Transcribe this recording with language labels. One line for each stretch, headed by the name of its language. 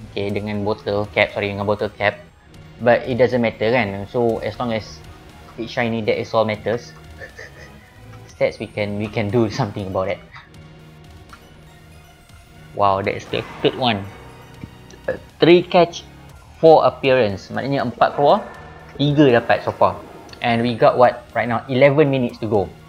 English: Okay,
Malay: dengan
English: bottle cap, sorry, dengan bottle cap. But it doesn't matter
Malay: kan.
English: So as long as it's shiny, that is all matters. Stats, we can do something about that. Wow, that is the third one. 3 catch, 4 appearance.
Malay: Maknanya 4 keluar, 3 dapat
English: so far. And we got what right now, 11 minutes to go.